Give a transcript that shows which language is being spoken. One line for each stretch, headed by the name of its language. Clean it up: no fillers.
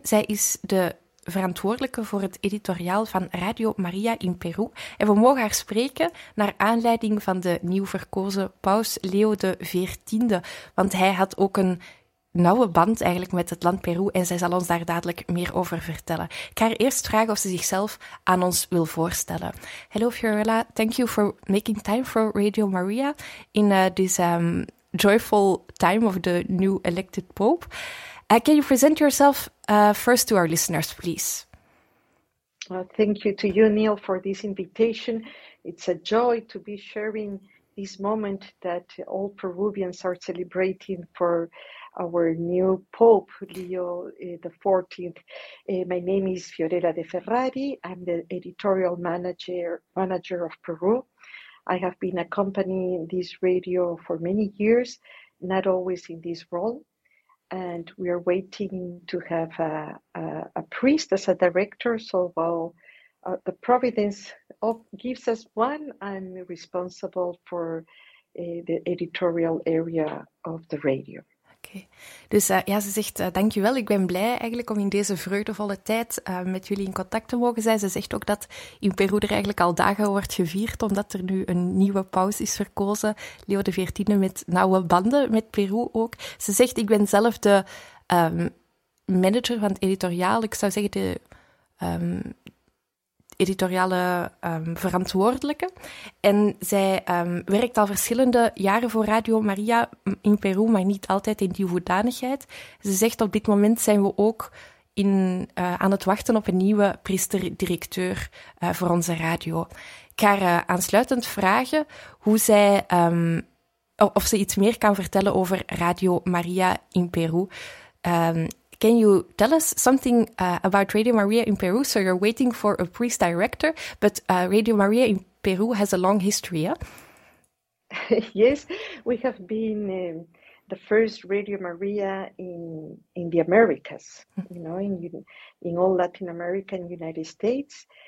Dutch: Zij is de verantwoordelijke voor het editoriaal van Radio Maria in Peru. En we mogen haar spreken naar aanleiding van de nieuw verkozen paus Leo de 14e. Want hij had ook een nauwe band eigenlijk met het land Peru en zij zal ons daar dadelijk meer over vertellen. Ik ga haar eerst vragen of ze zichzelf aan ons wil voorstellen.
English: Hello Fiorella, thank you for making time for Radio Maria in this joyful time of the new elected Pope. Can you present yourself first to our listeners, please? Thank you to you, Neil, for this invitation. It's a joy to be sharing this moment that all Peruvians are celebrating for our new Pope, Leo the 14th. My name is Fiorella de Ferrari. I'm the editorial manager of Peru. I have been accompanying this radio for many years, not always in this role. And we are waiting to have a priest as a director. So while the providence gives us one, I'm responsible for the editorial area of the radio.
Dutch: Oké. Dus ja, ze zegt, dankjewel, ik ben blij eigenlijk om in deze vreugdevolle tijd met jullie in contact te mogen zijn. Ze zegt ook dat in Peru er eigenlijk al dagen wordt gevierd, omdat er nu een nieuwe paus is verkozen, Leo de XIV, met nauwe banden met Peru ook. Ze zegt, ik ben zelf de manager van het editoriaal, ik zou zeggen de editoriale verantwoordelijke. En zij werkt al verschillende jaren voor Radio Maria in Peru, maar niet altijd in die hoedanigheid. Ze zegt, op dit moment zijn we ook aan het wachten op een nieuwe priester-directeur voor onze radio. Ik ga haar aansluitend vragen hoe zij of ze iets meer kan vertellen over Radio Maria in Peru.
English: Can you tell us something about Radio Maria in Peru? So you're waiting for a priest director, but Radio Maria in Peru has a long history, yeah? Yes, we have been the first Radio Maria in the Americas, you know, in all Latin America and United States.